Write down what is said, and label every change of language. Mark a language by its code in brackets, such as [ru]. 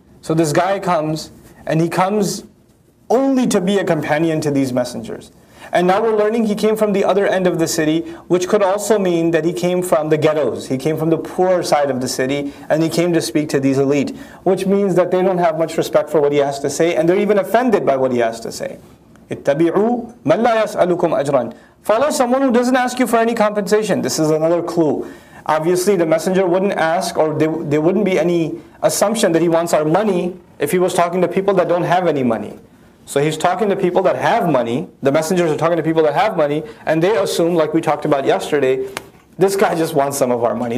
[en] So this guy comes, and he comes only to be a companion to these messengers. And now we're learning he came from the other end of the city, which could also mean that he came from the ghettos. He came from the poorer side of the city, and he came to speak to these elite. Which means that they don't have much respect for what he has to say, and they're even offended by what he has to say. [ar] اتبعوا من لا يسألكم أجراً. [en] Follow someone who doesn't ask you for any compensation. This is another clue. Obviously, the messenger wouldn't ask, or there wouldn't be any assumption that he wants our money if he was talking to people that don't have any money. So he's talking to people that have money. The messengers are talking to people that have money, and they assume, like we talked about yesterday, this guy just wants some of our money.